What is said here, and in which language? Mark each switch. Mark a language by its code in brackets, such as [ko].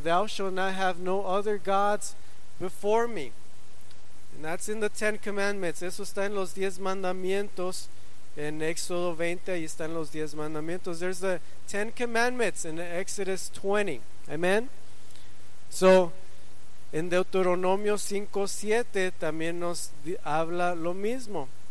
[en] Thou shalt not have no other gods before me. And that's in the Ten Commandments. [es] Eso está en los diez mandamientos. [en] In Exodus 20, [es] ahí están los 10 mandamientos. [en] There's the 10 commandments in Exodus 20. Amen. [es] So, in Deuteronomio 5:7 también nos habla lo mismo.